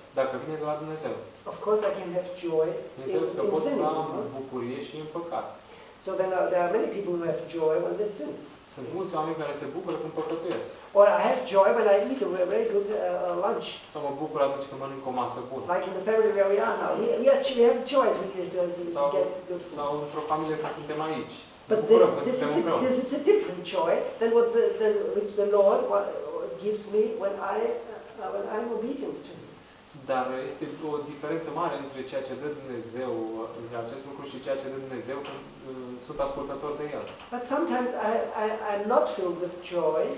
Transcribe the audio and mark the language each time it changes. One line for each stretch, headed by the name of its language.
Romanian: Dacă vine de la Dumnezeu.
English: Of course I can have joy.
Romanian: Bineînțeles că pot să am bucurie și în păcat.
English: So then there are many people who have joy when they sin.
Romanian: Sunt mulți oameni care se bucură când păcătuiesc.
English: Or I have joy when I eat a very good lunch.
Romanian: Sau mă bucur atunci când mănânc o masă bună.
English: Like in the family where we are now. We have joy to get good food.
Romanian: Sau într-o familie când suntem aici.
English: But this is a different joy than what which the Lord gives me when I'm obedient to him.
Romanian: Dar este o diferență mare între ceea ce dă Dumnezeu de acest lucru și ceea ce dă Dumnezeu când sunt ascultător de El.
English: But sometimes I'm not filled with joy.